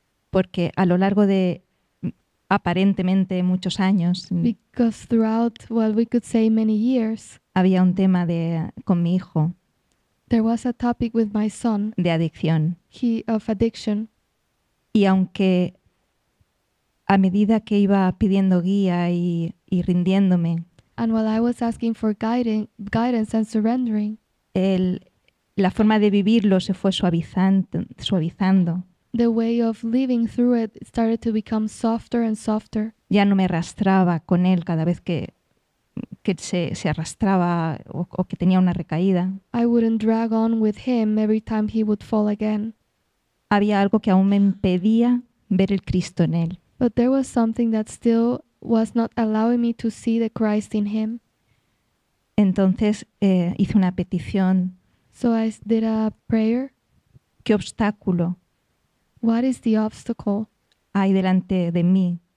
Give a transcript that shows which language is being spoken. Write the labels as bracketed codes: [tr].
[es] Porque a lo largo de aparentemente muchos años. [en] Because throughout, well, we could say many years. [es] Había un tema de con mi hijo. [en] There was a topic with my son. [es] De adicción. [en] Of addiction. [es] Y aunque a medida que iba pidiendo guía y rindiéndome. [en] And while I was asking for guidance and surrendering. [es] La forma de vivirlo se fue suavizando. [en] The way of living through it started to become softer and softer. [es] Ya no me arrastraba con él cada vez que se arrastraba o que tenía una recaída. [en] I wouldn't drag on with him every time he would fall again. [es] Había algo que aún me impedía ver el Cristo en él. [en] But there was something that still was not allowing me to see the Christ in him. [es] Entonces hice una petición. [en] So I did a prayer. [es] ¿Qué obstáculo? [en] What is the obstacle [es] hay delante de mí